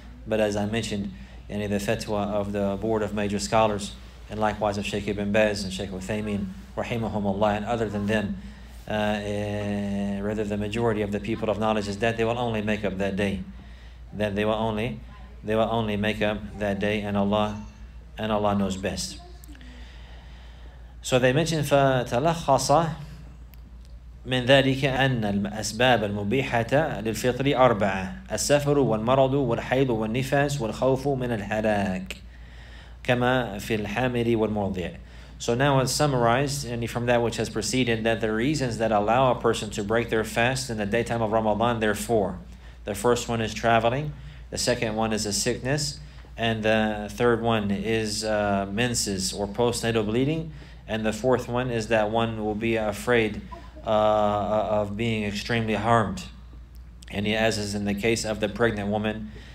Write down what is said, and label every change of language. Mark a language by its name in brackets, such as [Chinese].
[English] But as I mentioned, any of the fatwa of the Board of Major Scholars, and likewise of Sheikh Ibn Baz and Sheikh Uthaymeen, rahimahum Allah, and other than them, rather the majority of the people of knowledge, is that they will only make up that day. That they will only make up that day, and Allah knows best. So they mention, [Arabic] فَتَلَخَّصَ مِنْ ذَلِكَ أَنَّ الْأَسْبَابَ الْمُبِيحَةَ لِلْفِطْرِ أَرْبَعَةَ السَّفَرُ وَالْمَرَضُ وَالْحَيْضُ وَالنِّفَاسُ وَالْخَوْفُ مِنَ الْحَلَاكِ كَمَا فِي الْحَامِلِ وَالْمُرْضِعِ. [English] So now it's summarized, and from that which has preceded, that the reasons that allow a person to break their fast in the daytime of Ramadan, there are four. The first one is traveling, the second one is a sickness, and the third one is menses or postnatal bleeding, and the fourth one is that one will be afraid of being extremely harmed, and as is in the case of the pregnant woman